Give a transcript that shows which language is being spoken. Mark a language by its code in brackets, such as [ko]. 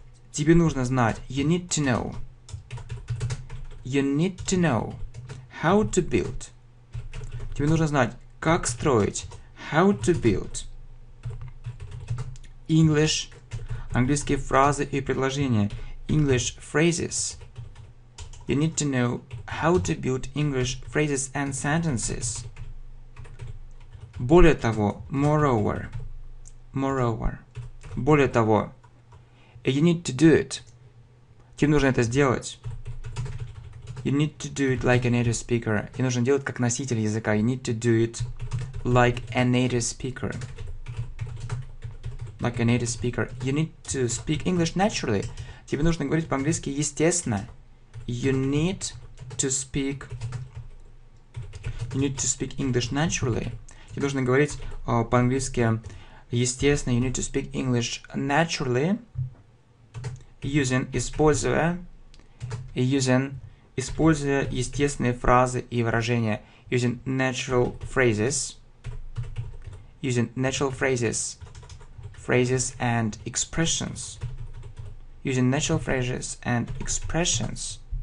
[ru] Тебе нужно знать. [en] You need to know. You need to know how to build. [ru] Тебе нужно знать, как строить. [en] How to build. English. [ru] Английские фразы и предложения. [en] English phrases. You need to know how to build English phrases and sentences. [ru] Более того, moreover. Moreover. Более того, [en] you need to do it. [ru] Тебе нужно это сделать. [en] You need to do it like a native speaker. [ru] Тебе нужно делать как носитель языка. [en] You need to do it like a native speaker. Like a native speaker. You need to speak English naturally. [ru] Тебе нужно говорить по-английски естественно. [en] You need to speak. You need to speak English naturally. [ru] Тебе нужно говорить по-английски естественно. [en] You need to speak English naturally. Using, используя, using, [ru] используя естественные фразы и выражения. [en] Using natural phrases. Using natural phrases. Phrases and expressions. Using natural phrases and expressions.